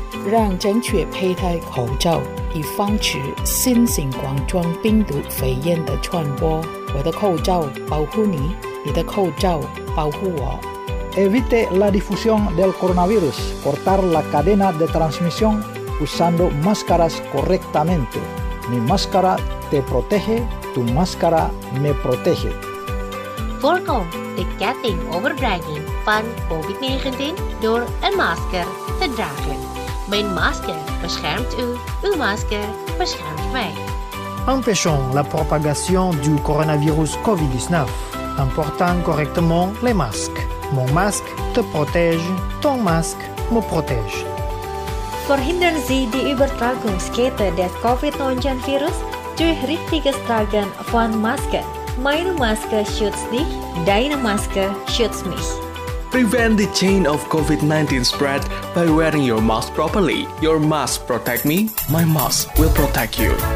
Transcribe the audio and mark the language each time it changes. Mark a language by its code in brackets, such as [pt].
[zh] 让正确佩戴口罩，以防止新型冠状病毒肺炎的传播。我的口罩保护你，你的口罩保护我。 [es] Evite la difusión del coronavirus. Cortar la cadena de transmisión usando máscaras correctamente. Mi máscara te protege, tu máscara me protege. Forgo the getting over dragging. [nl] van COVID-19 door een masker te dragen. Mijn masker beschermt u, uw masker beschermt mij. [fr] Empêchons la propagation du coronavirus COVID-19 en portant correctement les masques. Mon masque te protège, ton masque me protège. [de] Verhindern Sie die Übertragungskette des COVID-19 Virus durch richtiges Tragen von Masken. Meine Maske schützt dich, deine Maske schützt mich. [en] Prevent the chain of COVID-19 spread by wearing your mask properly. Your mask protect me, my mask will protect you.